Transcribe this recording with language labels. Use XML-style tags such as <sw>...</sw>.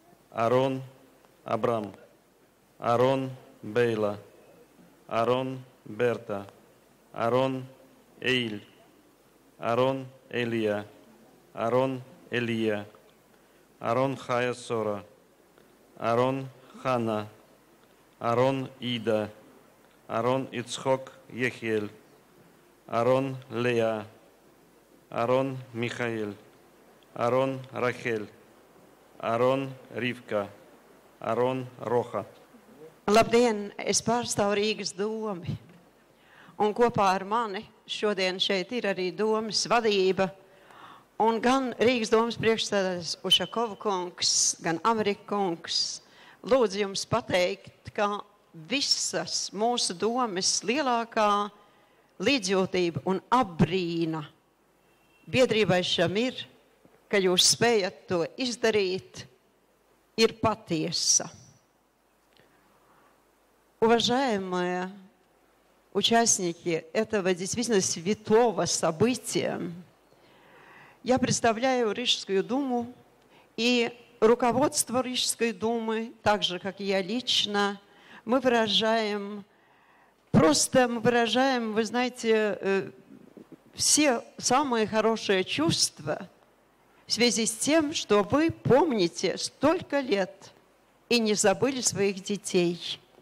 <ru>Арон Абрам, Арон Бейла, Арон Берта, Арон Эйль, Арон Элия, Арон Элия, Арон Хая Сора, Арон Хана, Арон Ида, Арон Ицхок Ехель, Арон Леа, Арон Михаил, Арон Рахель, Арон Ривка, Арон Роха.</ru> <lv>Labdien, es pārstāvu Rīgas domi. Un kopā ar mani šodien šeit ir arī domas vadība. Un gan Rīgas domas priekšsēdētājs Ušakova kungs, gan Amerika kungs. Lūdzu jums pateikt, ka visas mūsu domas lielākā līdzjūtība un apbrīna biedrībai šam ir, ka jūs spējat to izdarīt, ir patiesa.</lv> <ru>Уважаемые участники этого действительно святого события, я представляю Рижскую думу и руководство Рижской думы, так же, как и я лично, мы выражаем, вы знаете, все самые хорошие чувства в связи с тем, что вы помните столько лет и не забыли своих детей.</ru>